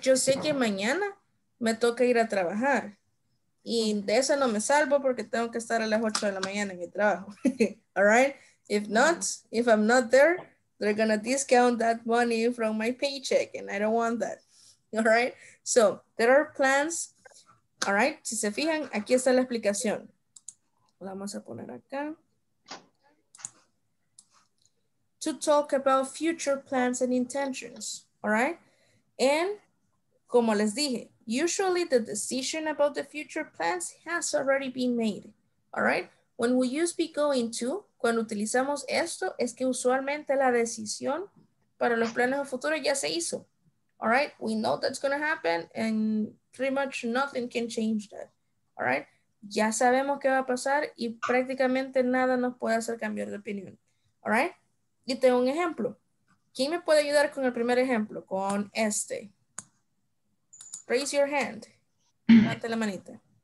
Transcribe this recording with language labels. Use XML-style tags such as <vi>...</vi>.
<es>Yo sé que mañana me toca ir a trabajar y de esa no me salvo porque tengo que estar a las 8 de la mañana en mi trabajo,</es> <en>all right? If not, if I'm not there, they're gonna discount that money from my paycheck and I don't want that, all right? So there are plans. All right,</en> <es>si se fijan, aquí está la explicación. La vamos a poner acá.</es> <en>To talk about future plans and intentions, all right? And,</en> <es>como les dije,</es> <en>usually the decision about the future plans has already been made, all right? When we use be going to,</en> <es>cuando utilizamos esto, es que usualmente la decisión para los planes a futuro ya se hizo,</es> <en>all right? We know that's gonna happen and pretty much nothing can change that, all right?</en> <es>Ya sabemos qué va a pasar y prácticamente nada nos puede hacer cambiar de opinión,</es> <en>all right?</en> <es>Y tengo un ejemplo. ¿Quién me puede ayudar con el primer ejemplo? Con este.</es> <en>Raise your hand.</en> <es>Levante la manita.</es>